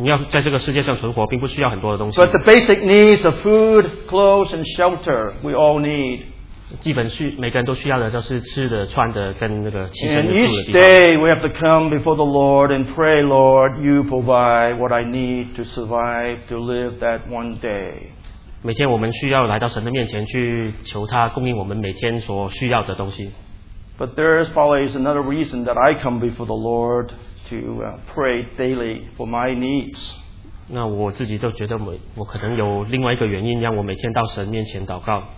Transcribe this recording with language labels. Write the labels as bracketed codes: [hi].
[zh] 在这个世界上存活，并不需要很多的东西。 [en] But the basic needs of food, clothes, and shelter, we all need. [zh] 基本需每个人都需要的就是吃的、穿的跟那个栖身的住的地方。 [en] And each day we have to come before the Lord and pray, Lord, you provide what I need to survive to live that one day. [zh] 每天我们需要来到神的面前去求他供应我们每天所需要的东西。 [en] But there is probably another reason that I come before the Lord to pray daily for my needs. [zh] 那我自己就觉得我可能有另外一个原因让我每天到神面前祷告。